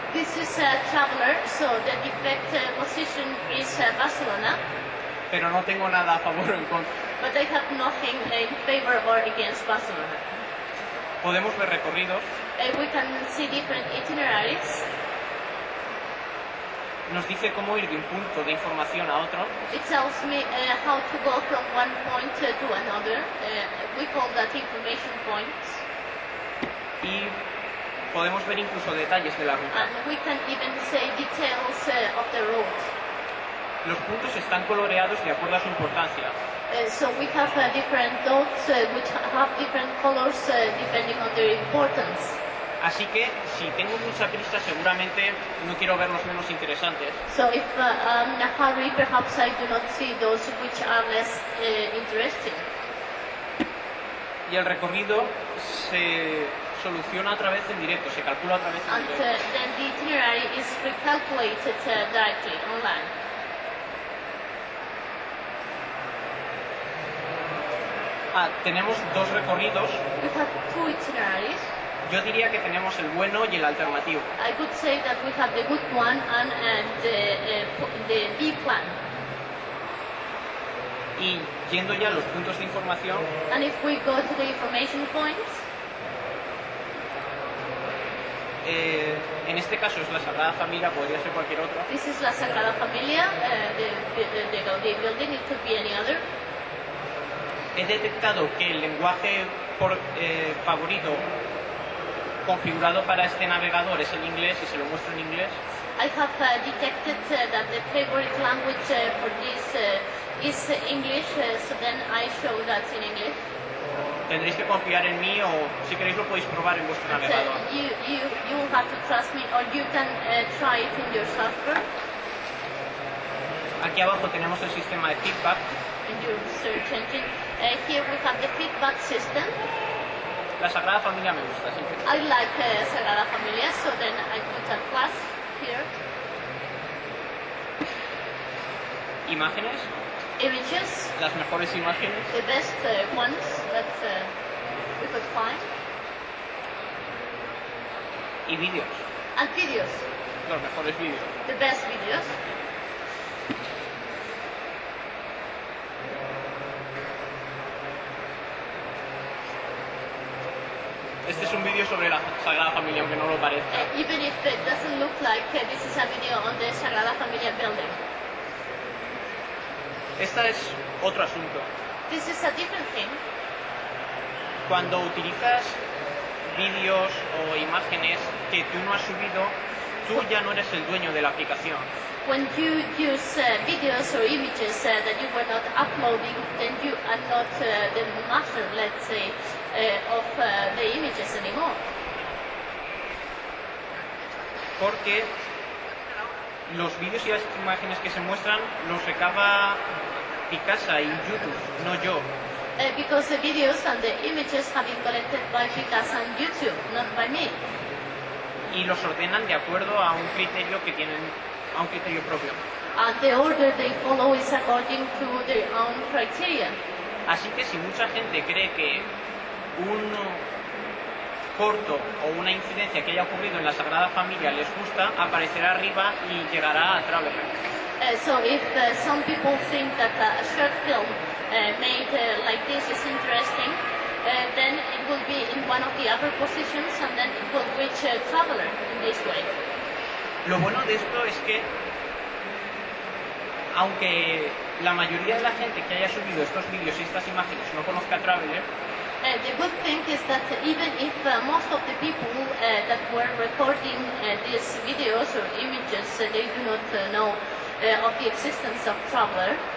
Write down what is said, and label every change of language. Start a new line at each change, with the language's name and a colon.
English: This is a Traveler, so the defect position is Barcelona.
Spanish: Pero no tengo nada a favor o en contra.
English: But I have nothing in favor or against Barcelona.
Spanish: Podemos ver recorridos.
English: We can see different itineraries.
Spanish: Nos dice cómo ir de un punto de información a otro.
English: It tells me how to go from one point to another. We call that information points.
Spanish: Y podemos ver incluso detalles de la ruta.
English: And we can even say details of the route.
Spanish: Los puntos están coloreados de acuerdo a su importancia.
English: So we have different dots which have different colors depending on their importance.
Spanish: Así que si tengo mucha prisa, seguramente no quiero ver los menos interesantes.
English: So if I'm in a hurry, perhaps I do not see those which are less interesting.
Spanish: Y el recorrido se soluciona a través en directo, se calcula a través en directo.
English: And then the itinerary is recalculated directly online.
Spanish: tenemos dos recorridos.
English: We have two itineraries.
Spanish: Yo diría que tenemos el bueno y el alternativo.
English: I could say that we have the good one and the B plan.
Spanish: Y yendo ya a los puntos de información.
English: And if we go to the information points.
Spanish: En este caso es la Sagrada Familia, podría ser cualquier otra.
English: This is la Sagrada Familia, the building, it could be any other.
Spanish: He detectado que el lenguaje favorito configurado para este navegador es el inglés y se lo muestro en inglés.
English: I have detected that the favorite language for this is English, so then I show that in English.
Spanish: Tendréis que confiar en mí o si queréis lo podéis probar en vuestro navegador.
English: You will have to trust me or you can try it in your software.
Spanish: Aquí abajo tenemos el sistema de feedback.
English: In your search engine. Here we have the feedback system.
Spanish: La Sagrada Familia me gusta, sí.
English: I like Sagrada Familia, so then I put a plus here.
Spanish: ¿Imágenes?
English: Images.
Spanish: Las mejores imágenes.
English: The best ones that we could find.
Spanish: Y vídeos.
English: And videos.
Spanish: Los mejores vídeos.
English: The best videos.
Spanish: Este es un vídeo sobre la Sagrada Familia, aunque no lo parezca.
English: Even if it doesn't look like this is a video on the Sagrada Familia building.
Spanish: Esta es otro asunto.
English: This is a different thing.
Spanish: Cuando utilizas vídeos o imágenes que tú no has subido, tú ya no eres el dueño de la aplicación.
English: When you use videos or images that you were not uploading, then you are not the master, let's say, of the images anymore.
Spanish: Porque los vídeos y las imágenes que se muestran los recaba Picasa y YouTube, no yo.
English: Because the videos and the images have been collected by Picasa and YouTube, not by me.
Spanish: Y los ordenan de acuerdo a un criterio que tienen, a un criterio propio.
English: And the order they follow is according to their own criteria.
Spanish: Así que si mucha gente cree que un corto o una incidencia que haya ocurrido en la Sagrada Familia les gusta, aparecerá arriba y llegará a Traveler.
English: So if some people think that a short film made like this is interesting, then it will be in one of the other positions and then it will reach Traveler in this way.
Spanish: Lo bueno de esto es que, aunque la mayoría de la gente que haya subido estos vídeos y estas imágenes no conozca Traveler,
English: The good thing is that even if most of the people that were recording these videos or images, they do not know of the existence of Traveler.